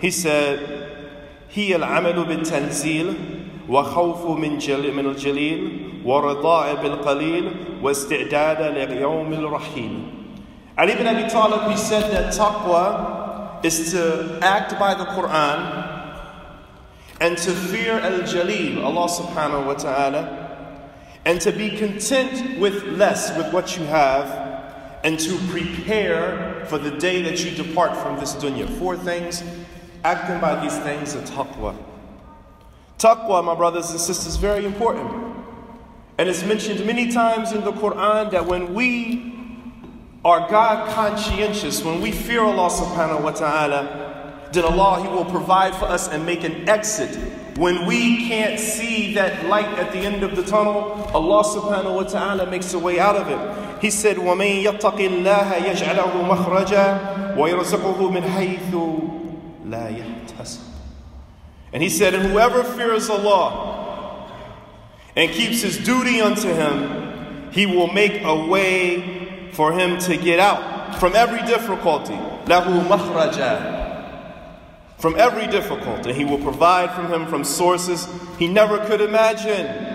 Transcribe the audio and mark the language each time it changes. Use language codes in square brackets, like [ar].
[en] He said, [ar] هي العمل بالتنزيل وخوف من الجليل ورضاء بالقليل واستعداد لليوم الرحيم. [en] Ali ibn Abi Talib, he said that taqwa is to act by the Quran and to fear al-jaleel, Allah subhanahu wa ta'ala, and to be content with less, with what you have, and to prepare for the day that you depart from this dunya. Four things, acting by these things is taqwa. Taqwa, my brothers and sisters, is very important. And it's mentioned many times in the Quran that when we are God conscientious, when we fear Allah subhanahu wa ta'ala, then Allah, He will provide for us and make an exit. When we can't see that light at the end of the tunnel, Allah subhanahu wa ta'ala makes a way out of it. He said, [ar] وَمَنْ يَتَّقِ اللَّهَ يَجْعَلَهُ مَخْرَجًا وَيَرْزَقُهُ مِنْ حَيْثُ لَا يَحْتَسِبُ. [en] And he said, and whoever fears Allah and keeps his duty unto Him, He will make a way for him to get out from every difficulty. [ar] لَهُ مَخْرَجًا. [en] From every difficulty, He will provide from him from sources he never could imagine.